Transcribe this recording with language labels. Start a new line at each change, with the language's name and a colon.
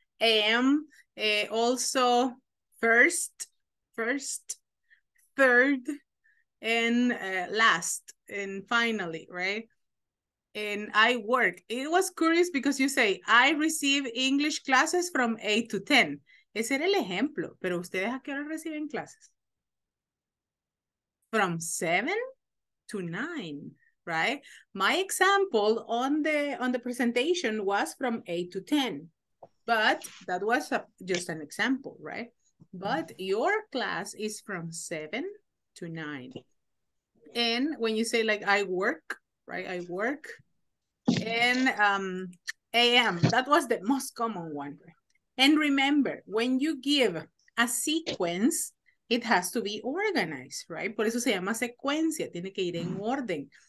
English: Am, also first, third, and last, and finally, right? And I work. It was curious because you say, I receive English classes from 8 to 10.
Spanish: Ese era el ejemplo, pero ustedes a qué hora reciben clases?
English: From 7 to 9, right? My example on the presentation was from 8 to 10, but that was just an example, right? But your class is from 7 to 9. And when you say like, I work, right? I work and AM, that was the most common one. Right? And remember, when you give a sequence, it has to be organized, right?
Spanish: Por eso se llama secuencia, tiene que ir en orden.